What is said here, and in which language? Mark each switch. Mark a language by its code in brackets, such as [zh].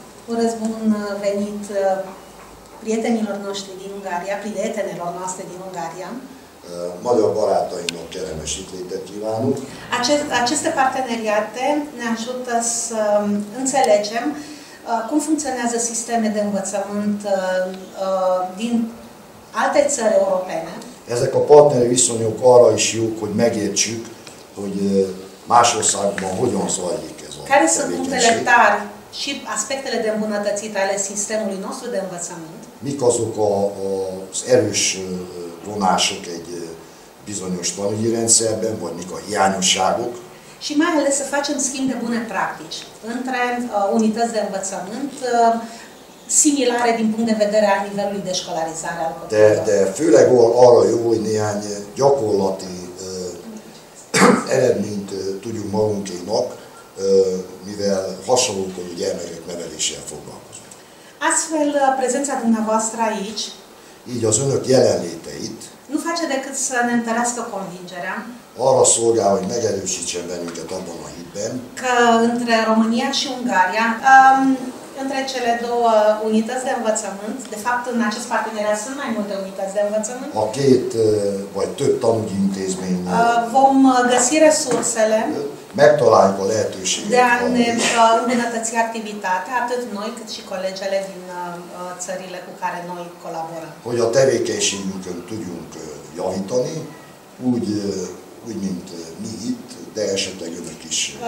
[ro] Urez bun venit prietenilor noștri din Ungaria, prietenelor noastre din Ungaria. [hu] Magyar barátainak kereskedelmet kívánunk. [ro] Aceste parteneriate ne ajută să înțelegem cum funcționează sisteme de învățământ din alte țări europene. [hu] Ezek a partneri viszonyok arra is jók, hogy megértsük, hogy más országban hogyan zajlik ez a tevékenység. [ro] Care sunt punctele tari și aspectele de îmbunătățit ale sistemului nostru de învățământ? [hu] Mik azok az erős vonások egy bizonyos tanügyi rendszerben, vagy mik a hiányosságok? [ro] Și mai ales să facem schimb de bune practici între unități de învățământ similare din punct de vedere al nivelului de școlarizare al copilor. [hu] De főleg arra jó, hogy néhány gyakorlati eredményt tudjuk magunkénak, mivel hasonlókorú gyermekek neveléssel foglalkozunk. [ro] Astfel prezența dumneavoastră aici, [hu] így az önök jelenléte itt, [ro] nu face decât să ne întărească convingerea, [hu] arra szolgál, hogy megerősítsen bennünket abban a hitben, [ro] că între România și Ungaria, între cele două unități de învățământ, de fapt în acest parteneriat sunt mai multe unități de învățământ, [hu] a két vagy több tanúgyi intézmény, [ro] vom găsi resursele, [hu] megtaláljuk a lehetőséget, [ro] de a ne îmbunătăți activitatea, atât noi cât și colegele din țările cu care noi colaborăm. [hu] Hogy a tevékenységünkön tudjunk javítani, úgy úgy, mint mi itt, de esetleg önök is.